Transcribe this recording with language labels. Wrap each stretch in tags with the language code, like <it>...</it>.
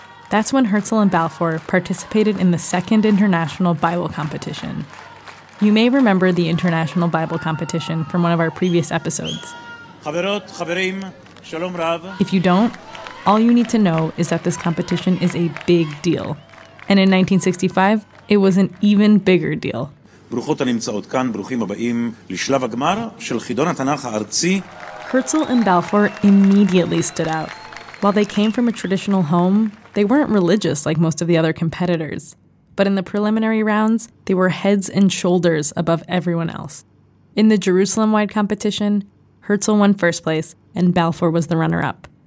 <en>That's when Herzl and Balfour participated in the second International Bible Competition. You may remember the International Bible Competition from one of our previous episodes.</en> <he>Chaverot, chaverim, shalom rav.</he> <en>If you don't, all you need to know is that this competition is a big deal. And in 1965, it was an even bigger deal.</en> <he>ברוכות הנמצאות כאן, ברוכים הבאים לשלב הגמר של חידון התנ"ך הארצי.</he> <en>Herzl and Balfour immediately stood out. While they came from a traditional home, they weren't religious like most of the other competitors. But in the preliminary rounds, they were heads and shoulders above everyone else. In the Jerusalem-wide competition, Herzl won first place and Balfour was the runner-up.</en>